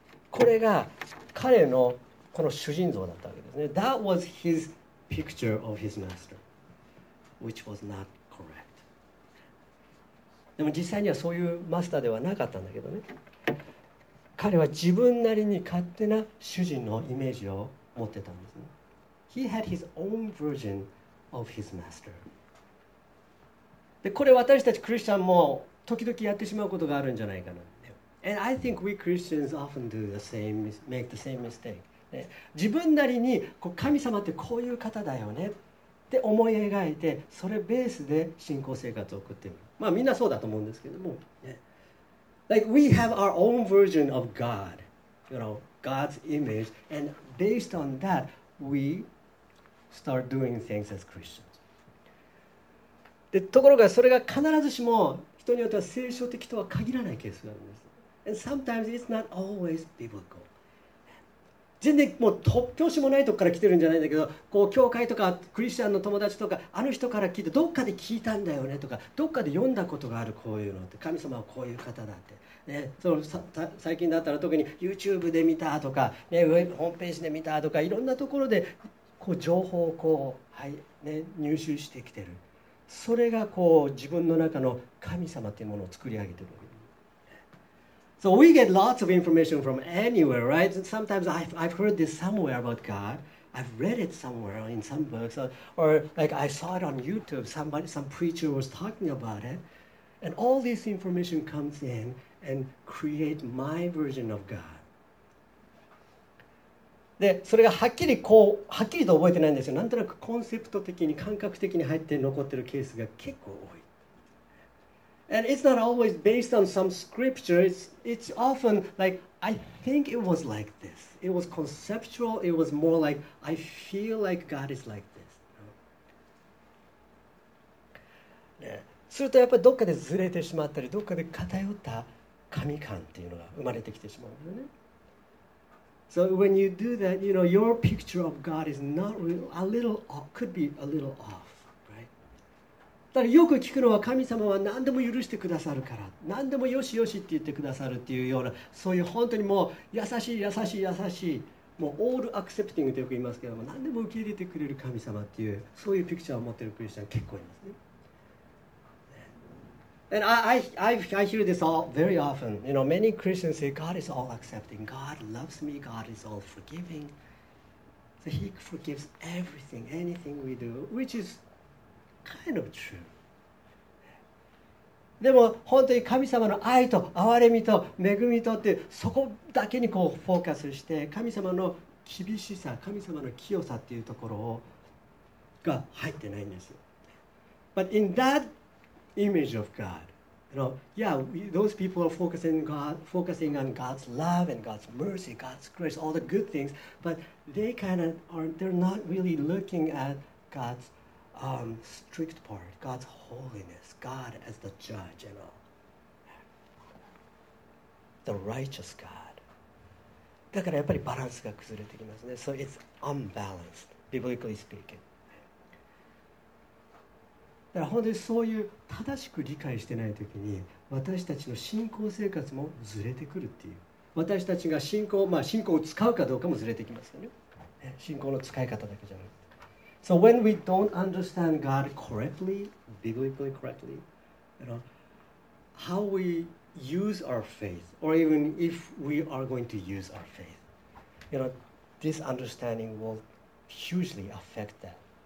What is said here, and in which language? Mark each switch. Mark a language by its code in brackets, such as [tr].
[ja] これが彼のこの主人像だったわけですね。 [en] That was his picture of his master, which was not correct. [ja] でも実際にはそういうマスターではなかったんだけどね。彼は自分なりに勝手な主人のイメージを持ってたんですね。 [en] He had his own version of his master. [ja] でこれ私たちクリスチャンも時々やってしまうことがあるんじゃないかな。 [en] And I think we Christians often do the same, make the same mistake.、 [ja] ね、自分なりにこう神様ってこういう方だよねって思い描いて、それベースで信仰生活を送っている。まあみんなそうだと思うんですけども。ね、 [en] like we have our own version of God, you know, God's image, and based on that, we start doing things as Christians. [ja] でところがそれが必ずしも人によっては聖書的とは限らないケースがあるんです。 [en] And sometimes it's not always biblical. [ja] 全然もう突拍子もないとこから来てるんじゃないんだけど、こう教会とかクリスチャンの友達とかあの人から聞いて、どっかで聞いたんだよねとか、どっかで読んだことがあるこういうのって、神様はこういう方だって、ね、そのさ最近だったら特に YouTube で見たとか、ね、ウェブホームページで見たとか、いろんなところでこう情報をこう、はいね、入手してきてる。それがこう自分の中の神様というものを作り上げている。 [en] So we get lots of information from anywhere, right? Sometimes I've heard this somewhere about God. I've read it somewhere in some books, or like I saw it on YouTube. Somebody, some preacher was talking about it. And all this information comes in and create my version of God. [ja] でそれがはっきりこうはっきりと覚えてないんですよ。なんとなくコンセプト的に感覚的に入って残ってるケースが結構多い。 [en] And it's not always based on some scripture. It's often like I think it was like this. It was conceptual. It was more like I feel like God is like this. [ja] ね、するとやっぱりどっかでずれてしまったり、どっかで偏った神観っていうのが生まれてきてしまうんですよね。 [en] So when you do that, you know, your picture of God is not real, a little off, could be a little off, right? [ja] だからよく聞くのは神様は何でも許してくださるから、何でもよしよしって言ってくださるっていうような、そういう本当にもう優しい優しい優しい、もうオールアクセプティングとよく言いますけども、何でも受け入れてくれる神様っていう、そういうピクチャーを持ってるクリスチャン結構いますね。 [en] And I hear this all very often. You know, many Christians say God is all accepting. God loves me. God is all forgiving. So He forgives everything, anything we do, which is kind of true. [ja] でも本当に神様の愛と憐れみと恵みとってそこだけにこうフォーカスして神様の厳しさ、神様の清さっていうところをが入ってないんです。 [en] But in thatimage of God. You know, yeah, those people are focusing on God's love and God's mercy, God's grace, all the good things, but they kind of aren't, they're not really looking at God's strict part, God's holiness, God as the judge and all. The righteous God. [ja] だからやっぱりバランスが崩れてきますね。 [en] So it's unbalanced, biblically speaking. [ja] だから本当にそういう正しく理解してないときに私たちの信仰生活もずれてくるっていう私たちが信仰、まあ、信仰を使うかどうかもずれてきますよね。信仰の使い方だけじゃなくて [en] So when we don't understand God correctly, biblically correctly, you know, how we use our faith or even if we are going to use our faith, you know, this understanding will hugely affect that.